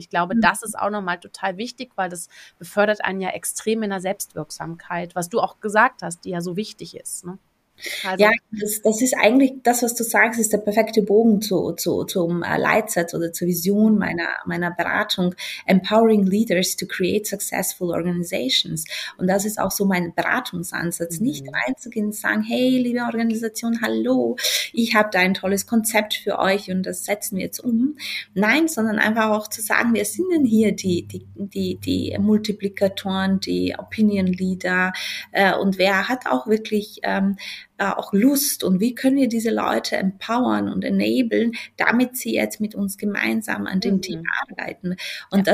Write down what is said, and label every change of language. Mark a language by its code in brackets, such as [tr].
[de] Ich glaube, das ist auch nochmal total wichtig, weil das befördert einen ja extrem in der Selbstwirksamkeit, was du auch gesagt hast, die ja so wichtig ist, ne? Also. Ja, das ist eigentlich das, was du sagst, ist der perfekte Bogen zum Leitsatz oder zur Vision meiner Beratung. [en] Empowering leaders to create successful organizations. [de] Und das ist auch so mein Beratungsansatz. Mhm. Nicht reinzugehen und sagen, hey, liebe Organisation, hallo, ich habe da ein tolles Konzept für euch und das setzen wir jetzt um. Nein, sondern einfach auch zu sagen, wir sind denn hier die Multiplikatoren, die Opinion Leader, und wer hat auch wirklich auch Lust und wie können wir diese Leute empowern und enablen, damit sie jetzt mit uns gemeinsam an dem Team arbeiten. Und ja.